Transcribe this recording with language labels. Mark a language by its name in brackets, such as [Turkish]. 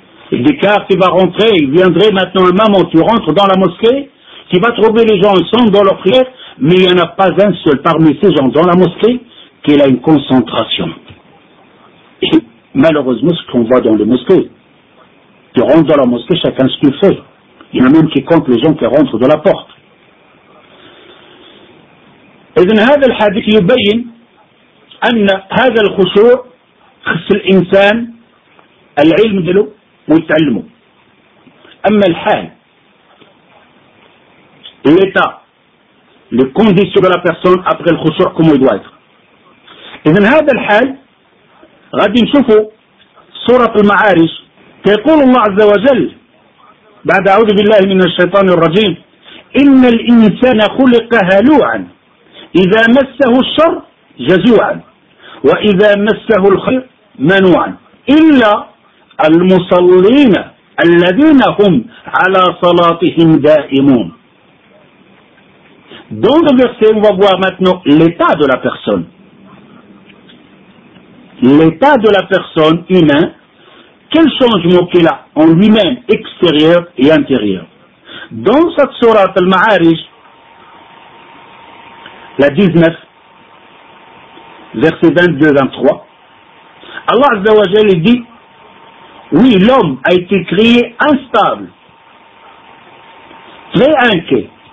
[French] Il dit car tu vas rentrer, il viendrait maintenant un moment, tu rentres dans la mosquée, tu vas trouver les gens ensemble dans leur prière, mais il n'y en a pas un seul parmi ces gens dans la mosquée qui a une concentration. Et malheureusement, ce qu'on voit dans les mosquées, tu rentres dans la mosquée, chacun ce qu'il fait. Il y en a même qui compte les gens qui rentrent de la porte. Et dans [Arabic] هذا الحديث يبين أن هذا الخشوع خص الإنسان العلم دلو ويتعلمه. أما الحال [French] l'état les conditions de la personne après le [Arabic] خشوع [French] comment il doit être. Et dans [Arabic] هذا الحال غادي نشوفوا سورة المعارج. يقول الله عز وجل بعد أعوذ بالله من الشيطان الرجيم إن الإنسان خلق هلوعا إذا مسه الشر جزوعا وإذا مسه الخير منوعا إلا المصلين الذين هم على صلاتهم دائمون. [French] Dans le verset, on va voir maintenant l'état de la personne. L'état de la personne humaine, quel changement qu'il a en lui-même, extérieur et intérieur. Dans cette sourate Al-Ma'arij, la 19, verset 22-23, Allah Azza wa Jalla dit, oui, l'homme a été créé instable, très inquiet.